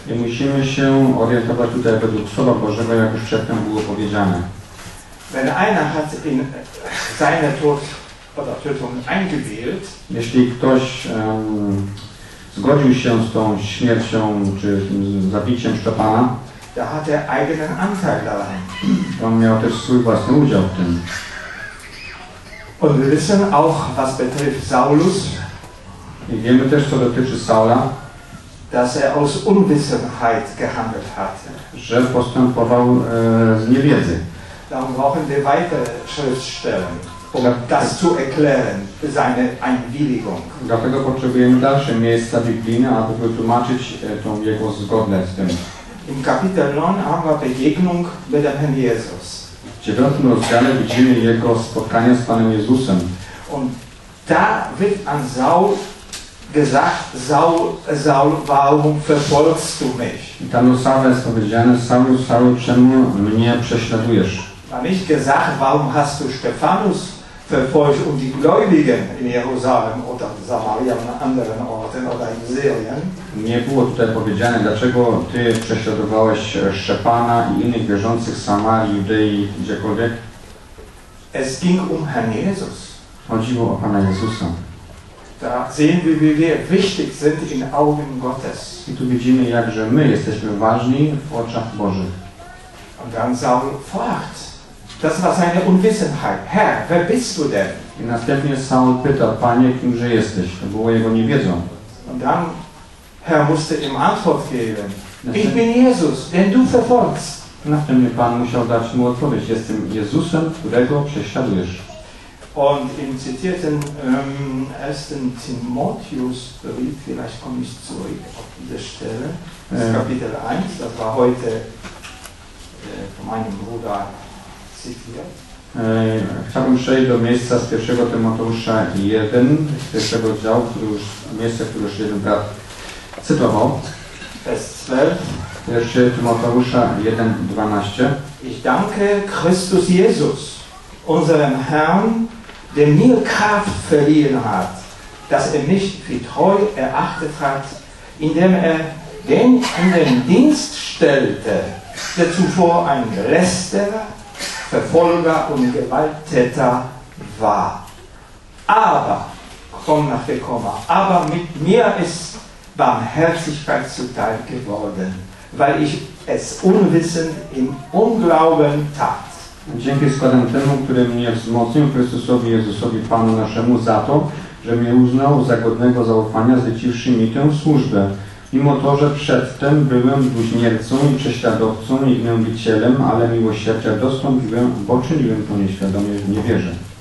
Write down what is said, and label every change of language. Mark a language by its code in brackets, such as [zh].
[pl] I musimy się orientować tutaj według Słowa Bożego, jak już przedtem było powiedziane. [de] Wenn einer hat in seine Tod oder Tötung eingewählt, [pl] jeśli ktoś zgodził się z tą śmiercią czy z zabiciem Szczepana, [de] da hat eigenen Anteil daran. [pl] On miał też swój własny udział w tym. [de] Und wir wissen auch, was betrifft Saulus, [pl] i wiemy też, co dotyczy Saula, [de] dass aus Unwissenheit gehandelt hat, [pl] że postępował z niewiedzy. [de] Dann brauchen wir weitere Schriftstellen, das zu erklären, seine Einwilligung. [pl] Dlatego potrzebujemy dalsze miejsca biblijne, aby wytłumaczyć tą jego zgodne z tym. [de] Im Kapitel 9 haben wir Begegnung mit dem Herrn Jesus. [pl] W 9 rozdziale widzimy jego spotkanie z Panem Jezusem. [de] Und da wird an Saul gesagt, Saul, Saul, warum verfolgst du mich? [pl] I tam do Saula jest powiedziane, Saul, Saul, czemu mnie prześladujesz? [de] Man nicht gesagt, warum hast du Stephanus verfolgt und die Gläubigen in Jerusalem oder Samaria und anderen Orten oder in Syrien? [pl] Nie było tutaj powiedziane, dlaczego ty prześladowałeś Szczepana i innych wierzących Samarii, Judei, gdziekolwiek? [de] Es ging um Herrn Jesus. [pl] Chodziło o Pana Jezusa. [de] Da sehen wir, wie wir wichtig sind in Augen Gottes. [pl] I tu widzimy, jakże my jesteśmy ważni w oczach Bożych. [de] Und dann Saul fragt, das war seine Unwissenheit. Herr, wer bist du denn? [pl] I następnie Saul pyta, Panie, kimże jesteś? To było jego niewiedzą. [de] Und dann Herr musste ihm Antwort geben. Ich bin Jesus, den du verfolgst. [pl] Następnie Pan musiał dać mu odpowiedź. Jestem Jezusem, którego prześladujesz. [de] Und im zitierten 1. Timotheusbrief, vielleicht komme ich zurück auf diese Stelle, das Kapitel 1, das war heute von meinem Bruder zitiert. [pl] Chciałbym przejść do miejsca z 1. Tymoteusza 1, z 1. działu, miejsce, które już jeden brat cytował. [de] Vers 12. [pl] 1. Tymoteusza 1, 12. [de] Ich danke Christus Jesus, unserem Herrn, der mir Kraft verliehen hat, dass mich für treu erachtet hat, indem den in den Dienst stellte, der zuvor ein Lästerer, Verfolger und Gewalttäter war. Aber, komm nach der Komma, aber mit mir ist Barmherzigkeit zuteil geworden, weil ich es unwissend im Unglauben tat. [pl] Dzięki składam temu, który mnie wzmocnił, Chrystusowi Jezusowi, Panu naszemu, za to, że mnie uznał za godnego zaufania, zleciwszy mi tę służbę. Mimo to, że przedtem byłem bluźniercą i prześladowcą i gnębicielem, ale miłosierdzia dostąpiłem, bo czyniłem to nieświadomie w niewierze.